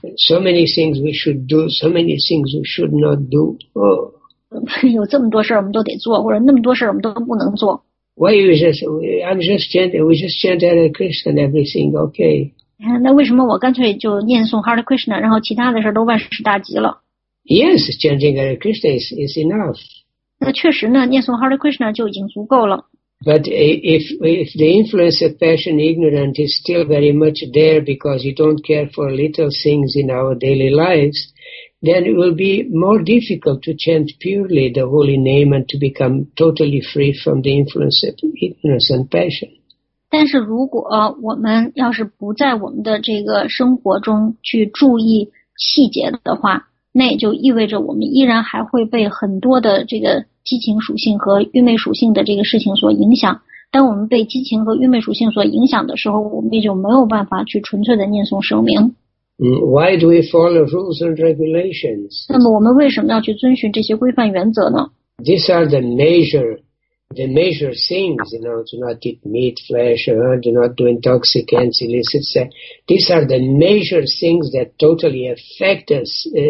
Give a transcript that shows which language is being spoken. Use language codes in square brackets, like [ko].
[en] So many things we should do, so many things we should not do. Oh. [zh] 有这么多事我们都得做，或者那么多事我们都不能做。 [en] Why you just? I'm just chanting. We just chant Hare Krishna and everything, okay? [zh] 那为什么我干脆就念诵 Hare Krishna， 然后其他的事都万事大吉了 [en] ？Yes, chanting Hare Krishna is enough. [zh] 那确实呢，念诵 Hare Krishna 就已经足够了。 [en] But if the influence of passion ignorance is still very much there because you don't care for little things in our daily lives, then it will be more difficult to chant purely the holy name and to become totally free from the influence of ignorance and passion. [zh] 但是如果我们要是不在我们的这个生活中去注意细节的话，那也就意味着我们依然还会被很多的这个激情属性和愚昧属性的这个事情所影响。当我们被激情和愚昧属性所影响的时候，我们也就没有办法去纯粹的念诵声明。 [en] Why do we follow rules and regulations? [zh] 那么我们为什么要去遵循这些规范原则呢 [en] ？These are the major things, you know, do not eat meat, flesh, do not do intoxicants, illicit sex. These are the major things that totally affect us.